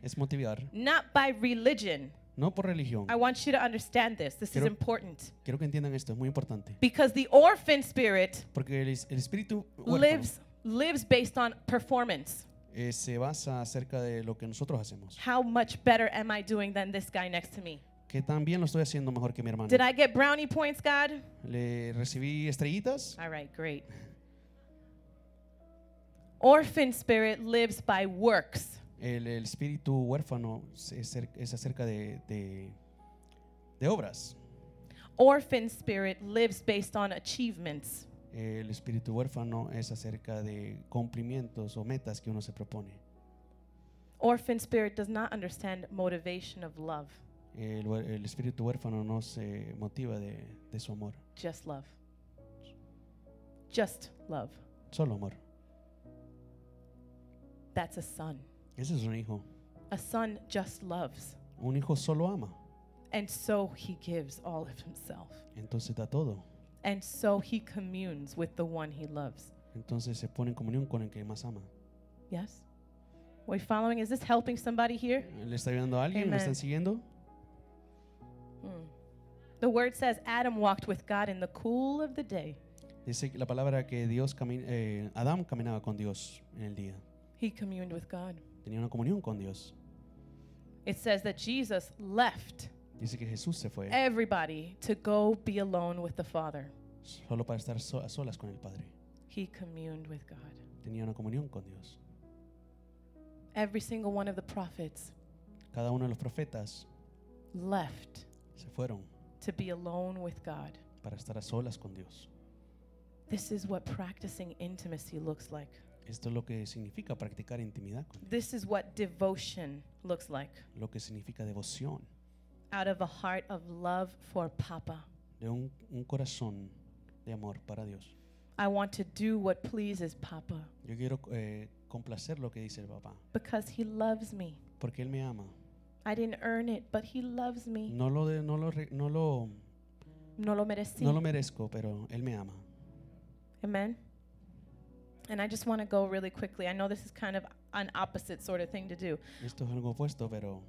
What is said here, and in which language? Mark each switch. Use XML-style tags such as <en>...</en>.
<es>es motivar.</es> <en>Not by religion.</en> <es>No por religión.</es> <en>I want you to understand this. This</en> <es>quiero,</es> <en>is important.</en> <es>Quiero que entiendan esto. Es muy importante.</es> <en>Because the orphan spirit</en> <es>Porque el espíritu</es> <en>lives based on performance.</en> <es>Se basa acerca de lo que nosotros hacemos.</es> <en>How much better am I doing than this guy next to me?</en> <es>Que también lo estoy haciendo mejor que mi hermano.</es> <en>Did I get brownie points, God?</en> <es>¿Le recibí estrellitas?</es> <en>All right, great. Orphan spirit lives by works.</en> <es>El espíritu huérfano es acerca de obras.</es> <en>Orphan spirit lives based on achievements.</en> <es>El espíritu huérfano es acerca de cumplimientos o metas que uno se propone.</es> <en>Orphan spirit does not understand motivation of love.</en> <es>El espíritu huérfano no se motiva de su amor.</es> <en>Just love. Just love.</en> <es>Solo amor.</es> <en>That's a son.</en> <es>Ese es un hijo.</es> <en>A son just loves.</en> <es>Un hijo solo ama.</es> <en>And so he gives all of himself.</en> <es>Entonces da todo.</es> <en>And so he communes with the one he loves.</en> <es>Entonces se pone en comunión con el que más ama.</es> <en>Yes. Are we following? Is this helping somebody here?</en> <es>¿Le está ayudando a alguien? ¿Me están siguiendo?</es> <en>The word says Adam walked with God in the cool of the day.</en> <es>Dice la palabra que Dios Adam caminaba con Dios en el día.</es> <en>He communed with God.</en> <es>Tenía una comunión con Dios.</es> <en>It says that Jesus left.</en> <es>Dice que Jesús se fue.</es> <en>Everybody to go be alone with the Father.</en> <es>Solo para estar a solas con el Padre.</es> <en>He communed with God.</en> <es>Tenía una comunión con Dios.</es> <en>Every single one of the prophets.</en> <es>Cada uno de los profetas.</es> <en>Left.</en> <es>Se fueron.</es> <en>To be alone with God.</en> <es>Para estar a solas con Dios.</es> <en>This is what practicing intimacy looks like.</en> <es>Esto es lo que significa practicar intimidad con Dios.</es> <en>This is what devotion looks like.</en> <es>Lo que significa devoción.</es> <en>Out of a heart of love for Papa.</en> <es>De un corazón de amor para Dios.</es> <en>I want to do what pleases Papa.</en> <es>Yo quiero complacer lo que dice el Papa.</es> <en>Because he loves me.</en> <es>Porque él me ama.</es> <en>I didn't earn it, but he loves me.</en> <es>No lo merecí. No lo merezco, pero él me ama.</es> <en>Amen. And I just want to go really quickly. I know this is kind of an opposite sort of thing to do.</en> <es>Esto es algo opuesto, pero</es>